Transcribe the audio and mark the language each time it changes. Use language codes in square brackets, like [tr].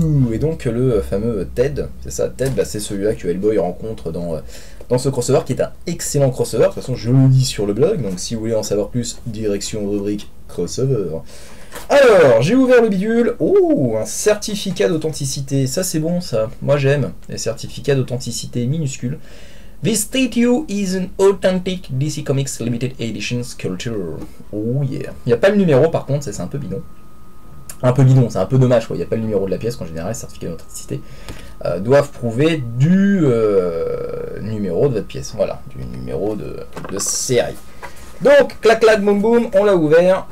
[fr] Et donc le fameux Ted, c'est ça, Ted, bah, c'est celui-là que Hellboy rencontre dans... dans ce crossover, qui est un excellent crossover. De toute façon, je le lis sur le blog, donc si vous voulez en savoir plus, direction rubrique crossover. Alors, j'ai ouvert le bidule. Oh, un certificat d'authenticité. Ça, c'est bon, ça. Moi, j'aime les certificats d'authenticité minuscules. [en] This statue is an authentic DC Comics Limited Edition sculpture. Oh, yeah. [fr] Il n'y a pas le numéro, par contre, ça, c'est un peu bidon. Un peu bidon, c'est un peu dommage, quoi. Il n'y a pas le numéro de la pièce, qu'en général, les certificats d'authenticité doivent prouver du numéro de votre pièce. Voilà, du numéro de série. Donc, clac, clac, boum, boum, on l'a ouvert.